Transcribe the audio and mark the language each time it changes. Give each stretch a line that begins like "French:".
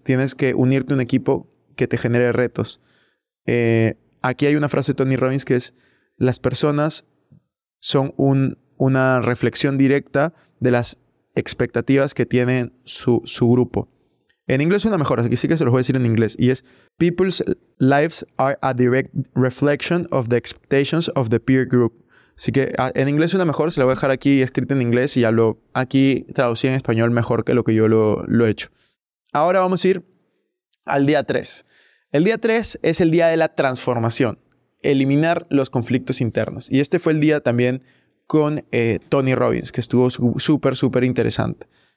Spanish: Tienes que unirte a un equipo que te genere retos. Aquí hay una frase de Tony Robbins que es, las personas son una reflexión directa de las expectativas que tiene su grupo. En inglés suena mejor, así que sí que se los voy a decir en inglés.
English: Y es, people's lives are a direct reflection of the expectations of the peer group.
Spanish: Así que en inglés suena mejor, se lo voy a dejar aquí escrito en inglés y ya lo aquí traducí en español mejor que lo que yo lo he hecho. Ahora vamos a ir al día 3. El día 3 es el día de la transformación, eliminar los conflictos internos. Y este fue el día también con Tony Robbins, que estuvo súper, súper interesante.